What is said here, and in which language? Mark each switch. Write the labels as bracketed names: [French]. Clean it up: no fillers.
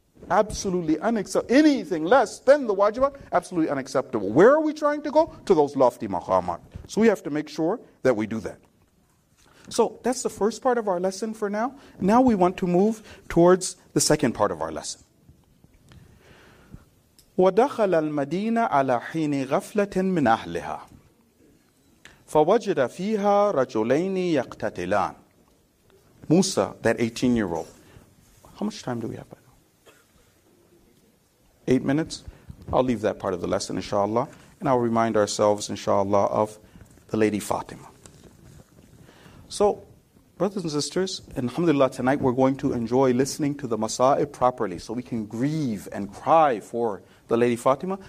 [English] Absolutely unacceptable. Anything less than the wajibat, absolutely unacceptable. Where are we trying to go? To those lofty maqamat. So we have to make sure that we do that. So that's the first part of our lesson for now. Now we want to move towards the second part of our lesson. [Arabic] وَدَخَلَ الْمَدِينَ عَلَى حِينِ غَفْلَةٍ مِنْ أَهْلِهَا فَوَجِدَ فِيهَا رَجُلَيْنِ يَقْتَتِلَانِ [English] Musa, that 18-year-old. How much time do we have? 8 minutes? I'll leave that part of the lesson, inshallah. And I'll remind ourselves, inshallah, of the Lady Fatima. So, brothers and sisters, and alhamdulillah, tonight we're going to enjoy listening to the Masa'ib properly so we can grieve and cry for the Lady Fatima.